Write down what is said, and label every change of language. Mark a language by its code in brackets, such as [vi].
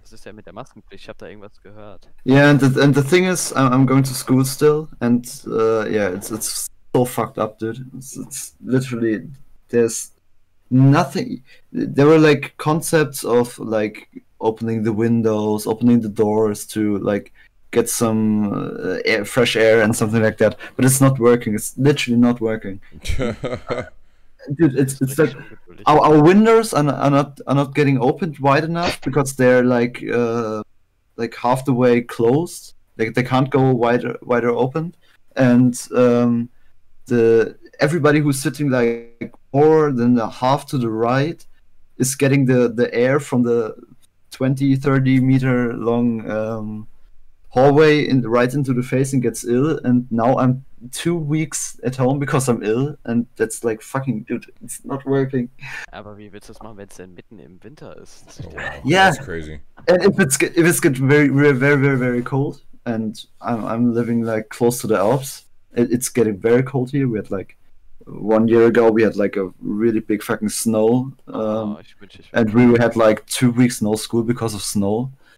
[de] Was das ja mit der Maskenpflicht? Ich habe da irgendwas gehört. [en] Yeah, and the thing is, I'm going to school still, and it's so fucked up, dude. It's literally there's nothing. There were like concepts of like opening the windows, opening the doors to like get some air, fresh air and something like that, but it's not working. It's literally not working. Dude, it's like our windows are not getting opened wide enough because they're like half the way closed. Like they can't go wider open, and everybody who's sitting like more than a half to the right is getting the air from the 20-30 meter long hallway in right into the face and gets ill. And now I'm 2 weeks at home because I'm ill, and that's like fucking, dude, it's not working. [de] Aber wie willst du das machen, wenn es denn mitten im Winter ist? [en] Oh, wow. Yeah, that's crazy. And if it's get very, very, very, very, very cold, and I'm living like close to the Alps, it's getting very cold here. We had like 1 year ago, we had like a really big fucking snow, and we had like 2 weeks no school because of snow.